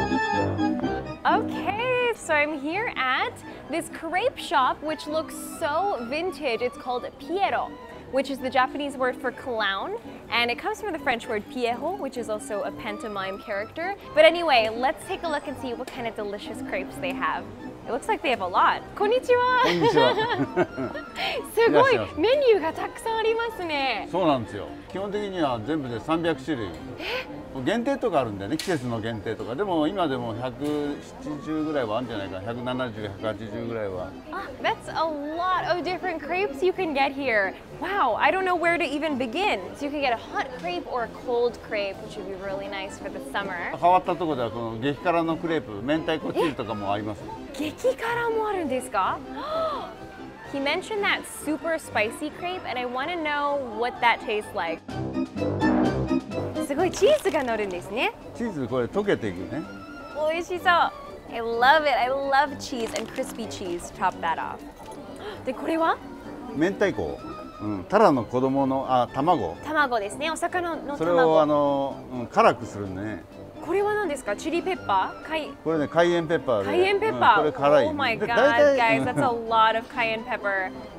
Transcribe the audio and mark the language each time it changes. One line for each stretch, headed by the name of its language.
English: Okay, so I'm here at this crepe shop, which looks so vintage. It's called Pierrot, which is the Japanese word for clown. And it comes from the French word Pierrot, which is also a pantomime character. But anyway, let's take a look and see what kind of delicious crepes they have. It looks like they have a lot. Konnichiwa!
Japanese: Konnichiwa! すごい、メニューがたくさんありますね。そうなんですよ。基本的には全部で300種類。え？限定とかあるんだよね、季節の限定とか。でも今でも170ぐらいはあるんじゃないか。 170、180ぐらいは。
English: That's a lot of different crepes you can get here. Wow, I don't know where to even begin. So you can get a hot crepe or a cold crepe, which would be really nice for the summer.
Japanese: 変わったところではこの激辛のクレープ、明太子チーズとかもあります。激辛もあるんですか？
English: He mentioned that super spicy crepe, and I want to know what that tastes like.
Japanese: すごいチーズが乗るんですね。チーズこれ溶けていくね。おいしそう。
English: I love it. I love cheese and crispy cheese. Top that off.
Japanese: で、これは？明太子。タラの子供の、あ、卵。卵ですね。お魚の卵。それを辛くするね。これは何ですか？チリペッパー？これね、カイエンペッパーで。カイエンペッパー、これ辛い。
English: Oh my god, guys, that's a lot of cayenne pepper.